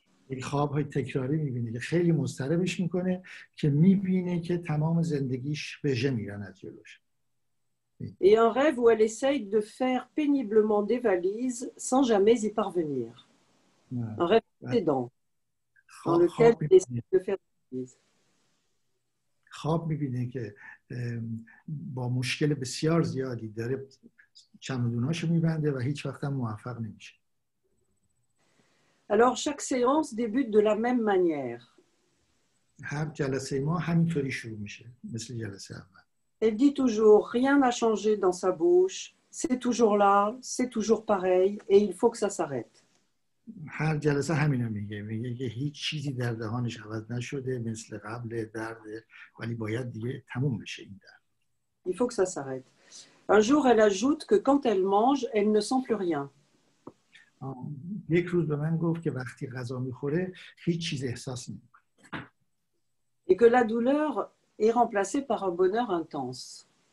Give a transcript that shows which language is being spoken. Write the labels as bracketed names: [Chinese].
[French] Et un rêve où elle essaye de faire péniblement des valises sans jamais y parvenir. Un rêve précédent dans lequel elle essaye de faire des valises. [Persian] خواب میبینه که با مشکل بسیار زیادی داره چمدوناشو میبنده و هیچ وقت موفق نمیشه. [French] Alors chaque séance débute de la même manière. [Persian] هر جلسه ما همینطوری شروع میشه مثل جلسه اول. [French] Elle dit toujours rien n'a changé dans sa bouche, c'est toujours là, c'est toujours pareil et il faut que ça s'arrête. [Persian] هر جلسه همینو میگه، میگه که هیچ چیزی در دهانش عوض نشده مثل قبل درد، ولی باید دیگه تموم بشه این درد. [French] Il faut que ça s'arrête. Un jour elle ajoute que quand elle mange, elle ne sent plus rien. [Persian] یک روز به من گفت که وقتی غذا میخوره هیچ چیز احساس نمیکنه. [French] Et que la douleur est remplacée par un bonheur intense.